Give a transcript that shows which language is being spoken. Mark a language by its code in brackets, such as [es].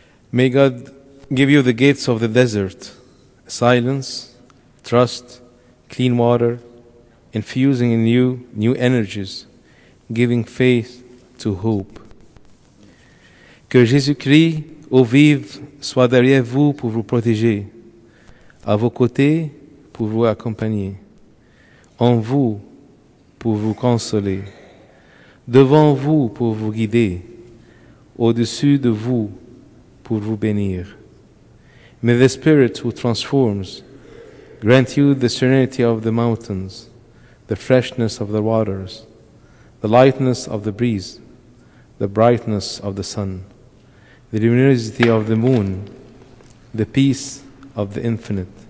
[en] May God give you the gates of the desert, silence, trust, clean water, infusing in you new energies, giving faith to hope. [fr] Que Jésus-Christ, eau vive, soit derrière vous pour vous protéger, à vos côtés pour vous accompagner, en vous pour vous consoler, devant vous pour vous guider, au-dessus de vous pour vous bénir. [en] May the Spirit who transforms grant you the serenity of the mountains, the freshness of the waters, the lightness of the breeze, the brightness of the sun, the luminosity of the moon, the peace of the infinite.